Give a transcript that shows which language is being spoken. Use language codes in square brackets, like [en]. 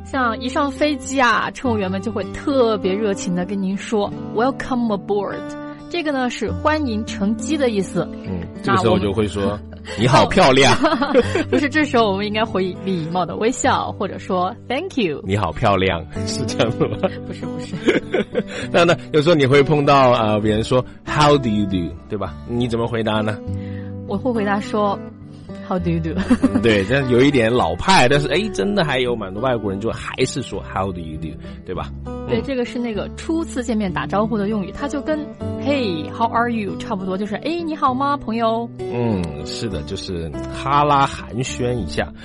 [zh] 像一上飞机啊，乘务员们就会特别热情的跟您说 [en] welcome aboard， [zh] 这个呢是欢迎乘机的意思。嗯，这个时候我就会说你好漂亮。不是，这时候我们应该回礼貌的微笑，或者说 [en] thank you， [zh] 你好漂亮，是这样的吗？不是。那有时候你会碰到别人说 [en] how do you do， [zh] 对吧？你怎么回答呢？我会回答说 [en] How do you do？ [zh] 对，这有一点老派，但是哎，真的还有蛮多外国人就还是说 [en] How do you do， [zh] 对吧？对，这个是那个初次见面打招呼的用语，它就跟 [en] Hey， how are you [zh] 差不多，就是哎，你好吗，朋友？嗯，是的，就是哈拉寒暄一下。